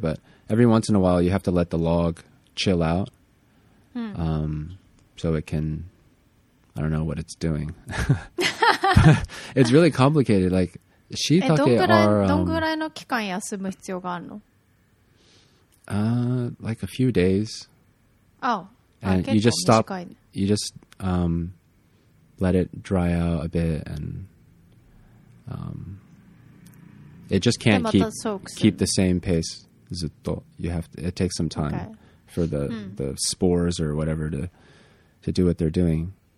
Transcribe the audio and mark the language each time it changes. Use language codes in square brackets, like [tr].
[en] But every once in a while, you have to let the log chill out. Hmm. So it can, I don't know what it's doing. It's really complicated. Like, shiitake are... [ja] どんぐらいの期間休む必要があるの? [en] Like a few days. Oh. And you just stop... You just let it dry out a bit, and it just can't keep the same pace. It takes some time for the spores or whatever to do what they're doing.